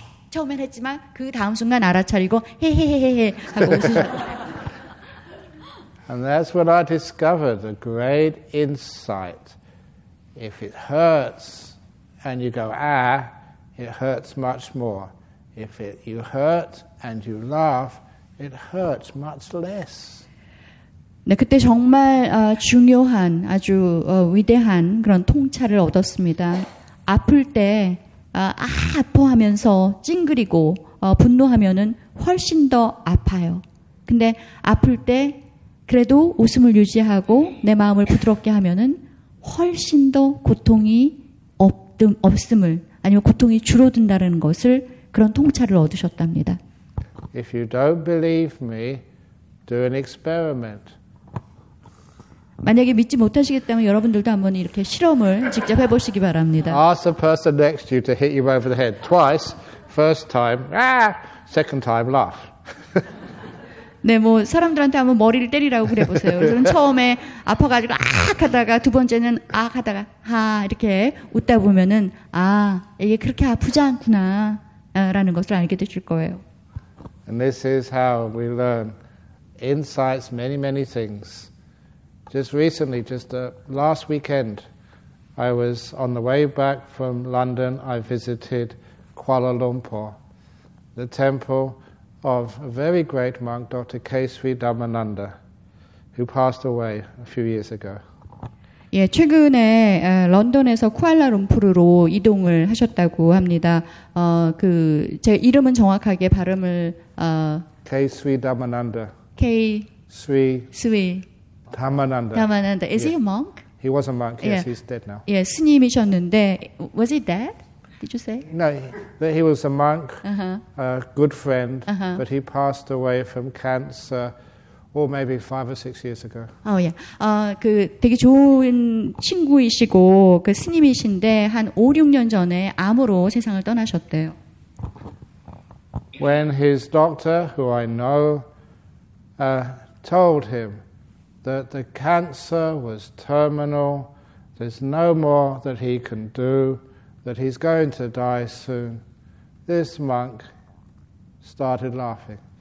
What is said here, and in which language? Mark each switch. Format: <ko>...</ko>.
<ko>처음엔 했지만 그 다음 순간 알아차리고 헤헤헤헤 하고 웃으셨어요.</ko> <en>And that's when I discovered a great insight. If it hurts and you go ah. It hurts much more. If you hurt and you laugh, it hurts much less.</en> <ko>네, 그때 정말 중요한 아주 위대한 그런 통찰을 얻었습니다. 아플 때 아파하면서 찡그리고 분노하면은 훨씬 더 아파요. 근데 아플 때 그래도 웃음을 유지하고 내 마음을 부드럽게 하면은 훨씬 더 고통이 없음을 아니면 고통이 줄어든다는 것을 그런 통찰을 얻으셨답니다.</ko> <en>If you don't believe me, do an experiment.</en> <ko>만약에 믿지 못하시겠다면 여러분들도 한번 이렇게 실험을 직접 해보시기 바랍니다.</ko> <en>Ask the person next to you to hit you over the head twice. First time, ah! Second time, laugh.</en> <ko>네, 뭐 사람들한테 한번 머리를 때리라고 그래보세요. 그래서 처음에 아파가지고 아악 하다가 두 번째는 아악 하다가 하 이렇게 웃다 보면은 아 이게 그렇게 아프지 않구나 라는 것을 알게 되실 거예요.</ko> <en>And this is how we learn insights many many things. Just recently, just last weekend, I was on the way back from London. I visited Kuala Lumpur, the temple of a very great monk, Dr. K. Sri Dhammananda, who passed away a few years ago.</en> <ko>예, 최근에 런던에서 쿠알라룸푸르로 이동을 하셨다고 합니다. 그 제 이름은 정확하게 발음을</ko> <en>K. Sri Dhammananda. K. Sri. Sri. Dhammananda. Dhammananda. Is he a monk? He was a monk. Yes, he's dead now.</en> <ko>예, 스님이셨는데,</ko> <en>was he dead? Did you say? No, he was a monk, a good friend, but he passed away from cancer. Or maybe 5 or 6 years ago. Oh yeah.</en> <ko>그 되게 좋은 친구이시고 그 스님이신데 한 5-6년 전에 암으로 세상을 떠나셨대요.</ko> <en>When his doctor, who I know, told him that the cancer was terminal, there's no more that he can do, that he's going to die soon, this monk started laughing.</en>